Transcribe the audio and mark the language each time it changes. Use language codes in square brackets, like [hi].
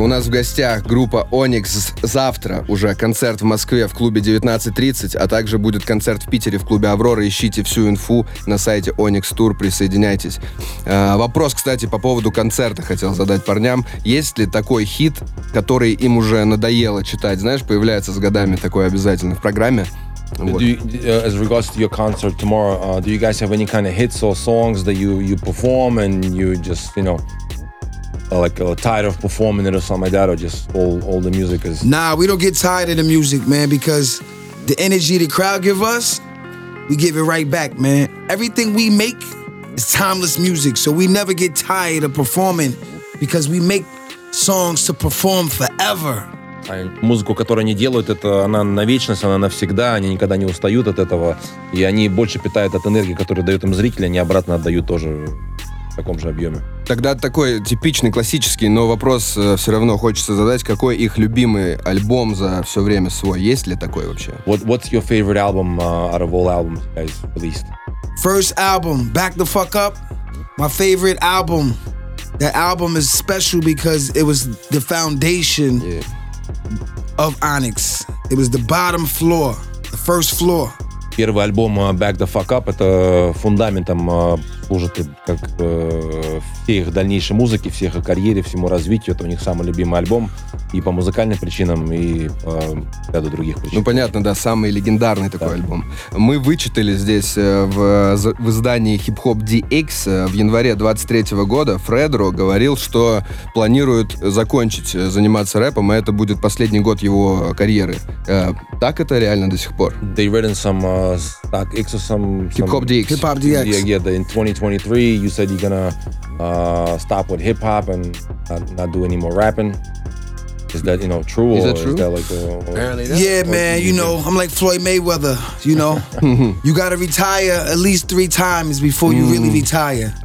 [ru] У нас в гостях группа Onyx. Завтра уже концерт в Москве в клубе 19.30, а также будет концерт в Питере в клубе Аврора. Ищите всю инфу на сайте Onyx Tour, присоединяйтесь. Вопрос, кстати, по поводу концерта хотел задать парням. Есть ли такой хит, который им уже надоело читать? Знаешь, появляется с годами такой обязательно в программе. [en] Do you, as regards to your concert tomorrow, do you guys have any kind of hits or songs that you perform and you just, you know, like tired of performing it or something like that, or just all the music is... Nah, we don't get tired of the music, man, because the energy the crowd give us, we give it right back, man. Everything we make is timeless music, so we never get tired of performing because we make songs to perform forever. [ru] Музыку, которую они делают, это она на вечность, она навсегда, они никогда не устают от этого, и они больше питают от энергии, которую дают им зрители, они обратно отдают тоже в таком же объеме. Тогда такой типичный, классический, но вопрос все равно хочется задать, какой их любимый альбом за все время свой, есть ли такой вообще? [en] What's your favorite album out of all albums you guys released? First album, Back the Fuck Up, my favorite album. That album is special because it was the foundation. Yeah. Of Onyx. It was the bottom floor, the first floor. [ru] Первый альбом Back the Fuck Up — это фундаментом служит как всей их дальнейшей музыке, всей их карьере, всему развитию. Это у них самый любимый альбом и по музыкальным причинам, и по ряду других причин. Ну, понятно, да, самый легендарный такой, да, альбом. Мы вычитали здесь в издании Hip Hop DX в январе 23 года. Фредро говорил, что планирует закончить заниматься рэпом, и это будет последний год его карьеры. Так это реально до сих пор? [en] They written some Stack X or some... Hip Hop DX. Hip Hop DX. Yeah, yeah, yeah, in 2023, you said you're gonna stop with hip hop and not do any more rapping. Is that, you know, true? Is that true? Is that like, apparently that. Yeah, man, you know, I'm like Floyd Mayweather, you know. You gotta retire at least 3 times before you really retire.